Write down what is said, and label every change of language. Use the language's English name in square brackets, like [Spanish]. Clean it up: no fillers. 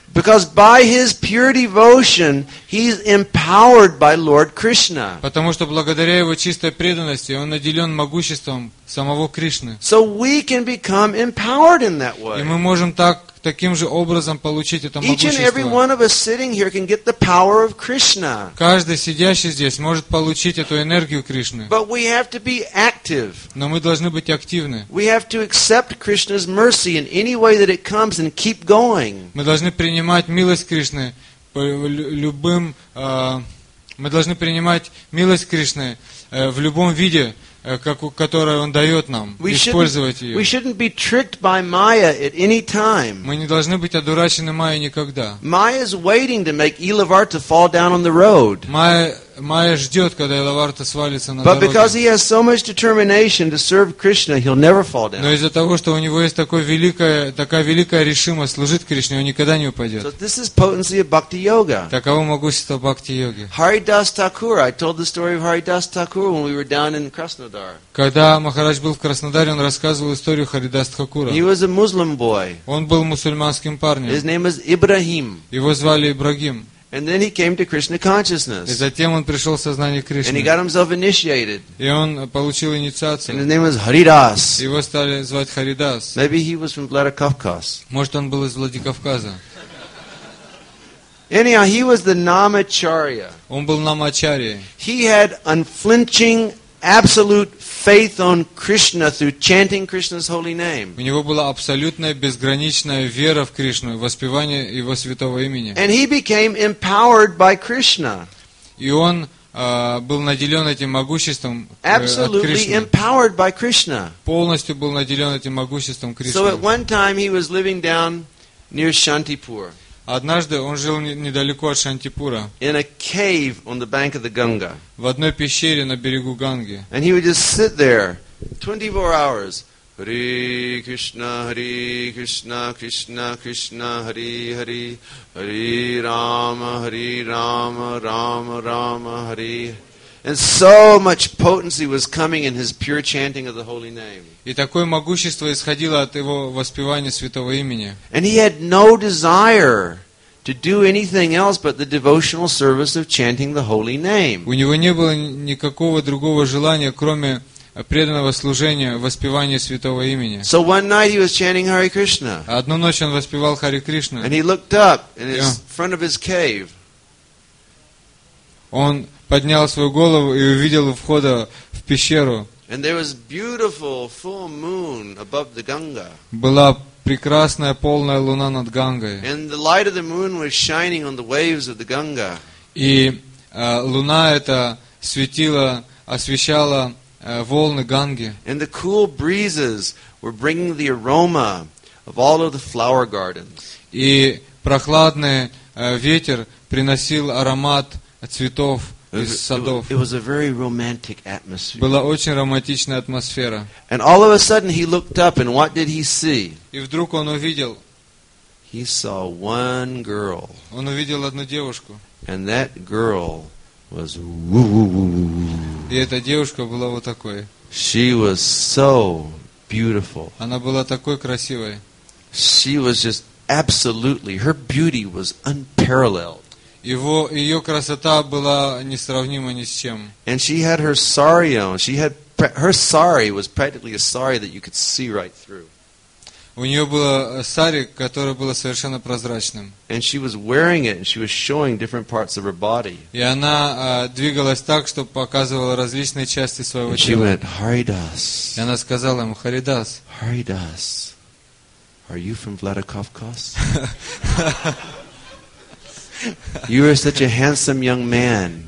[English] Because by his pure devotion, he's empowered by Lord Krishna. [Russian] Потому что благодаря его чистой преданности он наделен могуществом самого Кришны. [English] So we can become empowered in that way. [Russian] И мы можем таким же образом получить это могущество. [English] Each and every one of us sitting here can get the power of Krishna. [Russian] Каждый сидящий здесь может получить эту энергию Кришны. [English] But we have to be active. [Russian] Но мы должны быть активны. [English] We have to accept Krishna's mercy in any way that it comes and keep going. [Russian] Мы должны принимать милость Кришны в любом виде, которую он дает нам, использовать ее. [English] We shouldn't be tricked by Maya at any time. [Russian] Мы не должны быть одурачены Майей никогда. [English] Maya's waiting to make Elavarta fall down on the road. [Russian] Майя ждет, когда Элаварта свалится на дороге. [English] But because he has so much determination to serve Krishna, he'll never fall down. [Russian] Но из-за того, что у него есть такая великая решимость служить Кришне, он никогда не упадет. [English] So this is potency of bhakti yoga. [Russian] Таково могущество бхакти йоги. [English] Haridas Thakur, I told the story of Haridas Thakur when we were down in Krasnodar. [Russian] Когда Махарадж был в Краснодаре, он рассказывал историю Харидас Такура. [English] He was a Muslim boy. [Russian] Он был мусульманским парнем. [English] His name was Ibrahim. [Russian] Его звали Ибрагим. [English] And then he came to Krishna consciousness. [Russian] И затем он пришел в сознание Кришны. [English] And he got himself initiated. [Russian] И он получил инициацию. [English] And his name was Haridas. [Russian] Его стали звать Харидас. [English] Maybe he was from Vladikavkaz. [Russian] Может, он был из Владикавказа. [English] Anyhow, he was the Namacharya. [Russian] Он был Намачарьей. [English] He had unflinching, absolute faith on Krishna through chanting Krishna's holy name. [Russian] У него была абсолютная безграничная вера в Кришну, воспевание его святого имени. [English] And he became empowered by Krishna. [Russian] И он был наделен этим могуществом от Кришны. [English] Absolutely empowered by Krishna. [Russian] Полностью был наделен этим могуществом Кришны. [English] So at one time he was living down near Shantipur. [Russian] Однажды он жил недалеко от Шантипура. [English] In a cave on the bank of the Ganga. [Russian] В одной пещере на берегу Ганги. [English] And he would just sit there 24 hours. Hare Krishna, Hare Krishna, Krishna Krishna, Hare Hare. [Sanskrit] Hare Rama, Hare Rama, Rama Rama, Hare. [English] And so much potency was coming in his pure chanting of the holy name. [Russian] И такое могущество исходило от его воспевания святого имени. [English] And he had no desire to do anything else but the devotional service of chanting the holy name. [Russian] У него не было никакого другого желания, кроме преданного служения воспевания святого имени. [English] So one night he was chanting Hare Krishna. [Russian] Одну ночь он воспевал Харе Кришна. [English] And he looked up in his front of his cave. [Russian] Он поднял свою голову и увидел у входа в пещеру. [English] And there was beautiful full moon above the Ganga. [Russian] Была прекрасная полная луна над Гангой. [English] And the light of the moon was shining on the waves of the Ganga. [Russian] И луна эта светила, освещала волны Ганги. [English] And the cool breezes were bringing the aroma of all of the flower gardens. [Russian] И прохладный ветер приносил аромат цветов. [English] It was a very romantic atmosphere. [Russian] Была очень романтичная атмосфера. [English] And all of a sudden he looked up and what did he see? [Russian] И вдруг он увидел. [English] He saw one girl. [Russian] Он увидел одну девушку. [English] And that girl was woo-woo-woo-woo. [Russian] И эта девушка была вот такой. [English] She was so beautiful. [Russian] Она была такой красивой. [English] She was just absolutely, her beauty was unparalleled. [Russian] Ее красота была несравнима ни с чем. [English] And she had her sari on. She had her sari was practically a sari that you could see right through. [Russian] У нее было сари, которое было совершенно прозрачным. [English] And she was wearing it, and she was showing different parts of her body. [Russian] И она двигалась так, что показывала различные части своего тела. [English] She went, Haridas. [Russian] И она сказала ему, Haridas. [English] Haridas, are you from Vladikavkaz? You are such a handsome young man.